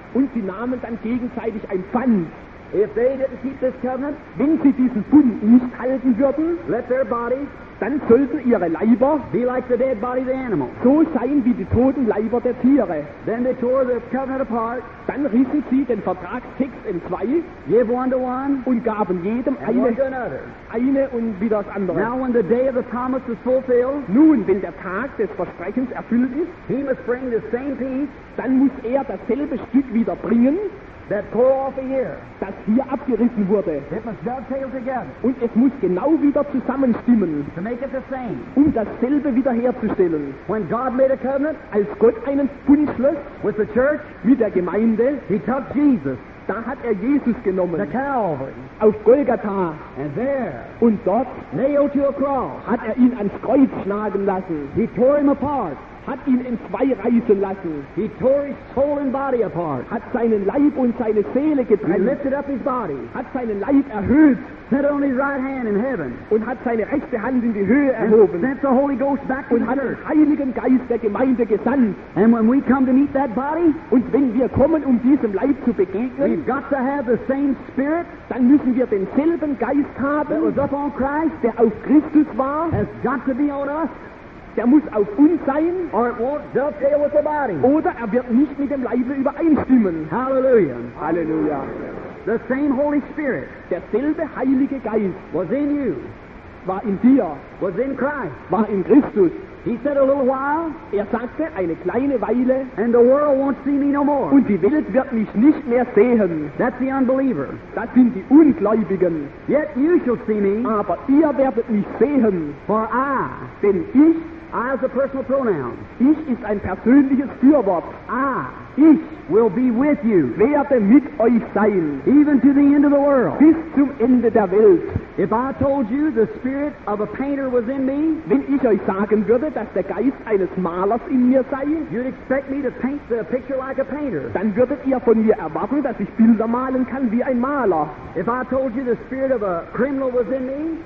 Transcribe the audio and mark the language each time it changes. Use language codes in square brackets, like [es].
[de] Und sie nahmen dann gegenseitig ein Pfand. [en] If they didn't keep this covenant, [de] wenn sie diesen Bund nicht halten würden, [en] let their bodies, [de] dann sollten ihre Leiber [en] be like the dead body of the animal, [de] so sein wie die toten Leiber der Tiere. [en] Then they tore the covenant apart, [de] dann rissen sie den Vertragstext in zwei, [en] give one to one, [de] und gaben jedem eine und wieder das andere. [en] Now when the day of the promise is fulfilled, [de] nun wenn der Tag des Versprechens erfüllt ist, [en] he must bring the same piece, [de] dann muss er dasselbe Stück wieder bringen, [en] that tore off a year, [de] das hier abgerissen wurde. [en] It must dovetail together, [de] und es muss genau wieder zusammenstimmen. [en] To make it the same, [de] um dasselbe wiederherzustellen. [en] When God made a covenant, [de] als Gott einen Bund schloss, [en] with the church, [de] mit der Gemeinde, [en] he took Jesus, [de] da hat er Jesus genommen, [en] the Calvary, [de] auf Golgatha, [en] and there, [de] und dort, [en] nailed to a cross, [de] hat er ihn ans Kreuz schlagen lassen. [en] He tore him apart, [de] hat ihn in zwei reißen lassen. [en] He tore his soul and body apart, [de] hat seinen Leib und seine Seele getrennt. [en] He lifted up his body, [de] hat seinen Leib erhöht. [en] Set on his right hand in heaven, [de] und hat seine rechte Hand in die Höhe erhoben. [en] Sent the Holy Ghost back [de] und hat den Heiligen Geist der Gemeinde gesandt. [en] And when we come to meet that body, [de] und wenn wir kommen, um diesem Leib zu begegnen, [en] we've got to have the same spirit, [de] dann müssen wir denselben Geist haben, [en] that was up on Christ, [de] der auf Christus war, [en] has got to be on us, [de] der muss auf uns sein, [en] or it won't dovetail with the body, [de] oder er wird nicht mit dem Leibe übereinstimmen. Halleluja. Halleluja. [en] The same Holy Spirit, [de] derselbe Heilige Geist, [en] was in you, [de] war in dir, [en] was in Christ, [de] war in Christus. [en] He said a little while, [de] er sagte eine kleine Weile, [en] and the world won't see me no more, [de] und die Welt wird mich nicht mehr sehen. [en] That's the unbeliever, [de] das sind die Ungläubigen. [en] Yet you shall see me, [de] aber ihr werdet mich sehen. [en] For I, [de] denn ich, [en] I is a personal pronoun, [de] ich ist ein persönliches Fürwort. [en] I, ich, will be with you, [de] werde mit euch sein, [en] even to the end of the world, [de] bis zum Ende der Welt. [en] If I told you the spirit of a painter was in me, [de] wenn ich euch sagen würde, dass der Geist eines Malers in mir sei, [en] you'd expect me to paint the picture like a painter, [de] dann würdet ihr von mir erwarten, dass ich Bilder malen kann wie ein Maler. [en] If I told you the spirit of a criminal was in me,